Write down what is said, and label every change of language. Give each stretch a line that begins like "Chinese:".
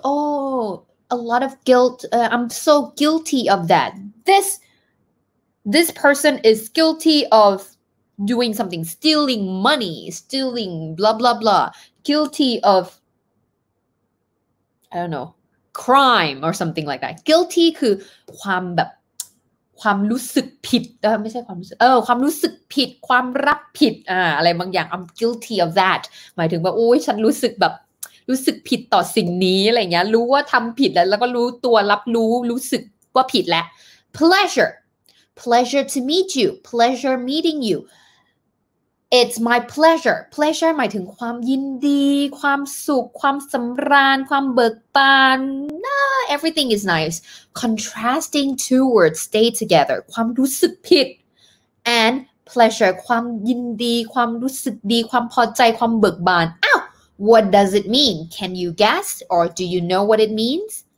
English: Oh, a lot of guilt. I'm so guilty of that. This person is guilty of doing something. Stealing money. Stealing blah, blah, blah. Guilty of, I don't know, crime or something like that.
Thai: Guilty คือความแบบความรู้สึกผิดไม่ใช่ความรู้สึกความรู้สึกผิดความรับผิดอะไรบางอย่าง
English: I'm guilty of that
Thai: หมายถึงว่าโอ๊ยฉันรู้สึกแบบ รู้สึกผิดต่อสิ่งนี้อะไรเงี้ยรู้ว่าทำผิดแล้วก็รู้ตัวรับรู้รู้สึกว่าผิดแล้ว
English: pleasure to meet you pleasure meeting you it's my pleasure
Thai: หมายถึงความยินดีความสุขความสำราญความเบิกบาน
English: Everything is nice. Contrasting two words stay together.
Thai: ความรู้สึกผิด and pleasure. ความยินดีความรู้สึกดีความพอใจความเบิกบาน
English: What does it mean? Can you guess or do you know what it means?